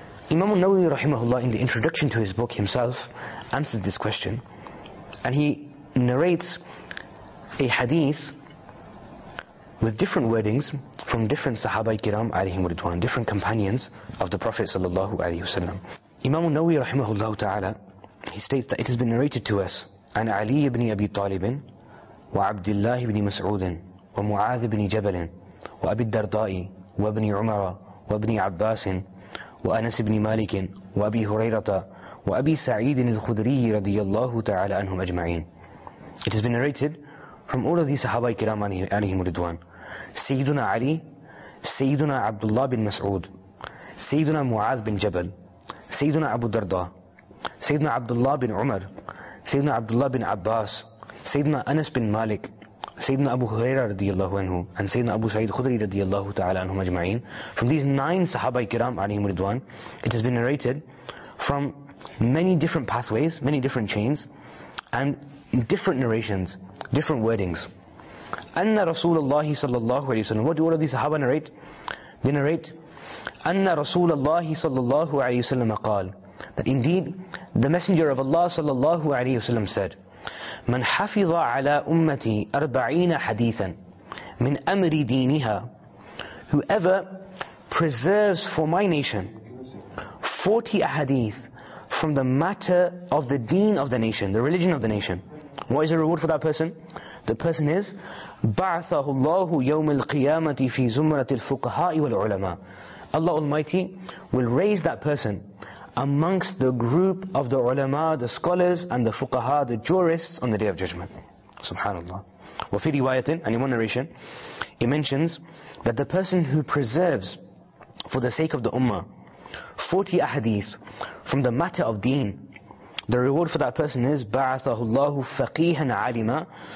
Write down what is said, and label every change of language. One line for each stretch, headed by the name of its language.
English: Imam al-Nawawi rahimahullah, in the introduction to his book himself, answers this question, and he narrates a hadith with different wordings from different sahaba kiram alayhim ridwan, different companions of the Prophet sallallahu alayhi wasallam. Imam al-Nawawi rahimahullah ta'ala, he states that it has been narrated to us,
Arabic: عن علي بن أبي طالب وعبد الله بن مسعود ومعاذ بن جبل وأبي الدرداء وابن عمر وابن عباس وأنس بن مالك وأبي هريرة وأبي سعيد الخدري رضي الله تعالى عنهم أجمعين.
English: It has been narrated from all of these Sahaba kiram alayhim ridwan, سيدنا علي, سيدنا عبد الله بن مسعود, سيدنا معاذ بن جبل, سيدنا أبو الدرداء, سيدنا عبد الله بن عمر, Sayyidina Abdullah bin Abbas, Sayyidina Anas bin Malik, Sayyidina Abu Huraira radiyallahu anhu, and Sayyidina Abu Sa'id Khudri radiyallahu ta'ala anhum ajma'in. From these 9 Sahaba ikram alayhim ridwan, it has been narrated from many different pathways, many different chains, and different narrations, different wordings. Anna Rasulullah sallallahu alayhi wa sallam, what do all of these Sahaba narrate? They narrate, Anna Rasulullah sallallahu alayhi wa sallam aqal, that indeed, the Messenger of Allah sallallahu alayhi wa sallam said,
Arabic: من حفظ على أمتي 40 حديثا من أمر دينها.
English: Whoever preserves for my nation 40 hadith from the matter of the deen of the nation, the religion of the nation, what is the reward for that person? The person is
Arabic: بَعْثَهُ اللَّهُ يَوْمِ الْقِيَامَةِ فِي زُمْرَةِ الْفُقَهَاءِ وَالْعُلَمَاءِ.
English: Allah Almighty will raise that person amongst the group of the ulama, the scholars, and the fuqaha, the jurists, on the Day of Judgment. Subhanallah.
Arabic: وفي روايةٍ,
English: and in one narration, it mentions that the person who preserves for the sake of the ummah 40 ahadith from the matter of deen, the reward for that person is
Arabic: بَعْثَهُ اللَّهُ فَقِيهًا عَلِمًا.